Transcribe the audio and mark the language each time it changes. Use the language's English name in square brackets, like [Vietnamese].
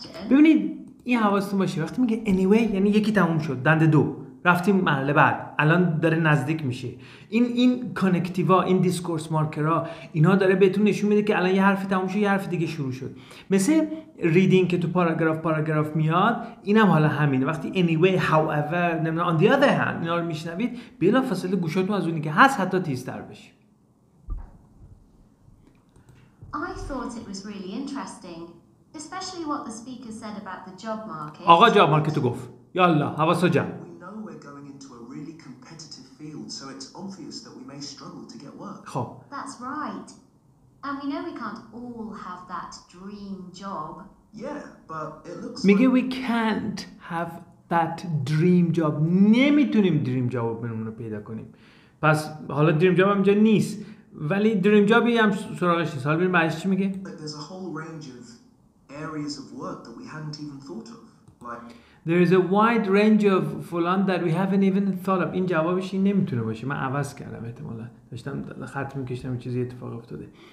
[Persian] ببینید این حواستون باشه وقتی میگه anyway یعنی یکی تموم شد دنده دو رفتیم مرحله بعد الان داره نزدیک میشه این کانکتیوا این دیسکورس مارکرا اینا داره بهتون نشون میده که الان یه حرفی تموم شد یه حرف دیگه شروع شد مثل ریدینگ که تو پاراگراف میاد اینم حالا همینه وقتی anyway however نمیدونم on the other hand اینا رو میشنوید بلافاصله گوشاتون از اونی که هست حتی تیزتر بشه [English] I thought it was really interesting, especially what the speaker said about the job market. [Persian] آقا جاب مارکتو گفت. یالا حواس جمع. [English] We know we're going into a really competitive field, so it's obvious that we may struggle to get work. [Persian] خب. [English] That's right. And we know we can't all have that dream job. Yeah, but it looks like... [Persian] میگه [English] we can't have that dream job. [Persian] نمیتونیم dream job بهمون رو پیدا کنیم. پس حالا dream job اینجا نیست. ولی dream job هم سراغش نیست. حالا ببین بعدش چی میگه؟ [English] There's a whole range of areas of work that we hadn't even thought of. There is a wide range of فلان that we haven't even thought of. [Persian] این جوابش این نمیتونه باشه. من عوض کردم احتمالا. داشتم خط میکشتم چیزی اتفاق افتاده.